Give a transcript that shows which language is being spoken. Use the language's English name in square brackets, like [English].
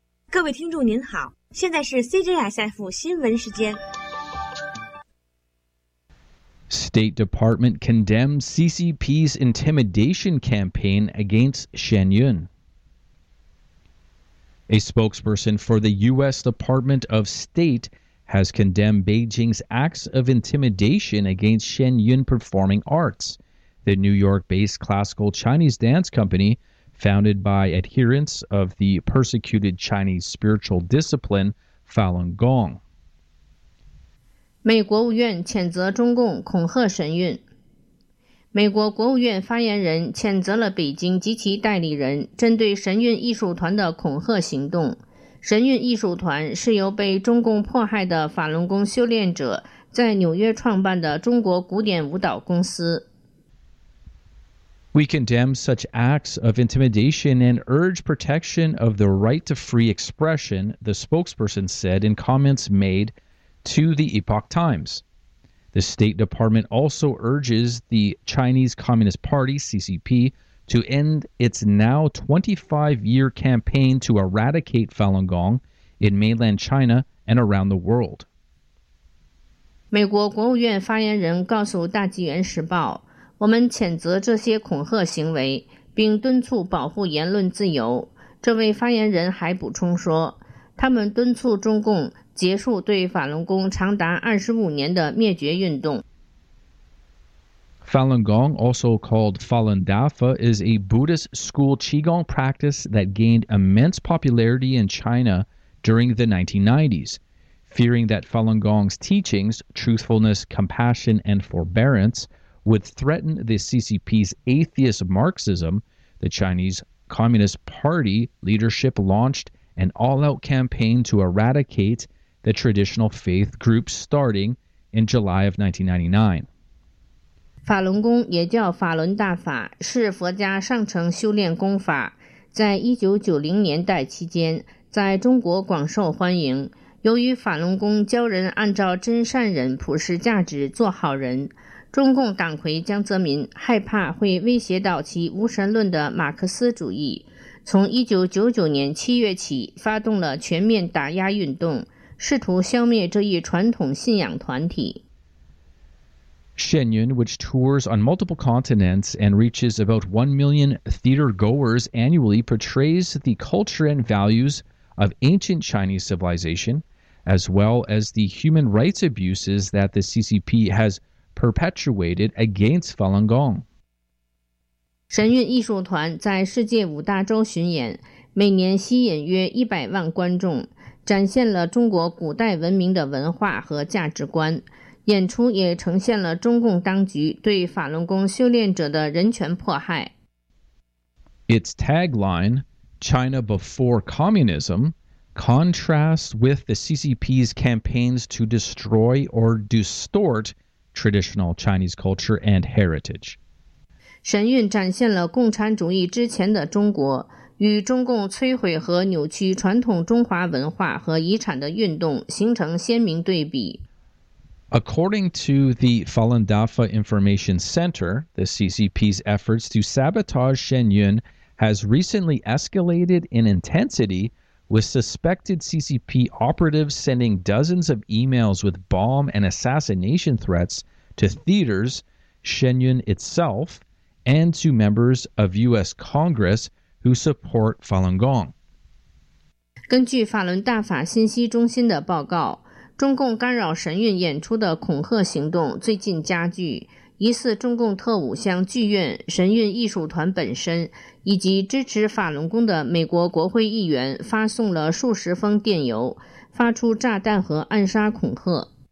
[Chinese] 各位听众您好，现在是 CJSF 新闻时间。 [English] State Department condemns CCP's intimidation campaign against Shen Yun. A spokesperson for the U.S. Department of State has condemned Beijing's acts of intimidation against Shen Yun Performing Arts. The New York-based classical Chinese dance company, founded by adherents of the persecuted Chinese spiritual discipline Falun Gong. [Chinese] 美国务院谴责中共恐吓神韵。美国国务院发言人谴责了北京及其代理人针对神韵艺术团的恐吓行动。神韵艺术团是由被中共迫害的法轮功修炼者在纽约创办的中国古典舞蹈公司。 [English] We condemn such acts of intimidation and urge protection of the right to free expression, the spokesperson said in comments made to the Epoch Times. The State Department also urges the Chinese Communist Party, CCP, to end its now 25-year campaign to eradicate Falun Gong in mainland China and around the world. [Chinese] 美国国务院发言人告诉《大纪元时报》我们谴责这些恐吓行为，并敦促保护言论自由。这位发言人还补充说，他们敦促中共结束对法轮功长达25年的灭绝运动。 [English] Falun Gong, also called Falun Dafa, is a Buddhist school Qigong practice that gained immense popularity in China during the 1990s. Fearing that Falun Gong's teachings, truthfulness, compassion, and forbearance,would threaten the CCP's atheist Marxism, the Chinese Communist Party leadership launched an all-out campaign to eradicate the traditional faith group starting in July of 1999. [Chinese] 法轮功也叫法轮大法，是佛家上乘修炼功法，在1990年代期间在中国广受欢迎。由于法轮功教人按照真善人普世价值做好人，中共党魁江泽民害怕会威胁到其无神论的马克思主义，从1999年7月起发动了全面打压运动，试图消灭这一传统信仰团体。 [English] Shen Yun, which tours on multiple continents and reaches about 1 million theater goers annually, portrays the culture and values of ancient Chinese civilization, as well as the human rights abuses that the CCP has perpetuated against Falun Gong. [Chinese] 神韵艺术团在世界五大洲巡演，每年吸引约100万观众，展现了中国古代文明的文化和价值观。演出也呈现了中共当局对法轮功修炼者的人权迫害。 [English] Its tagline, China before communism,contrasts with the CCP's campaigns to destroy or distort traditional Chinese culture and heritage. [Chinese] 神韵展现了共产主义之前的中国与中共摧毁和扭曲传统中华文化和遗产的运动形成鲜明对比。 [English] According to the Falun Dafa Information Center, the CCP's efforts to sabotage Shenyun has recently escalated in intensity, with suspected CCP operatives sending dozens of emails with bomb and assassination threats to theaters, Shenyun itself, and to members of U.S. Congress who support Falun Gong. [Chinese] 根据法伦大法信息中心的报告，中共干扰神韵演出的恐吓行动最近加剧，疑似中共特务向剧院、神韵艺术团本身以及支持法轮功的美国国会议员发送了数十封电邮，发出炸弹和暗杀恐吓。